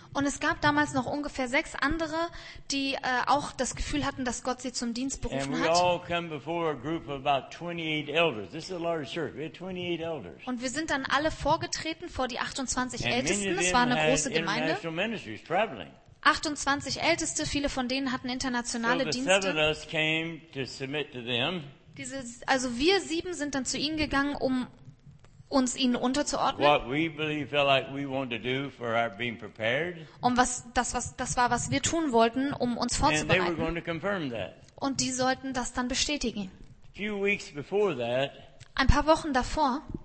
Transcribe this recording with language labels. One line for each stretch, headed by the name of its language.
German: Und es gab damals noch ungefähr 6 andere, die auch das Gefühl hatten, dass Gott sie zum Dienst berufen hat.
English: And we all come before a group of about 28 elders. This is a large church. We had 28 elders.
German: Und wir sind dann alle vorgetreten vor die 28 Ältesten. Es war eine große Gemeinde. 28 Älteste, viele von denen hatten internationale Dienste.
English: So the 7 of us came to submit to them.
German: Also wir 7 sind dann zu ihnen gegangen, um uns ihnen unterzuordnen. Und das war, was wir tun wollten, um uns vorzubereiten. Und die sollten das dann bestätigen. Ein paar Wochen davor,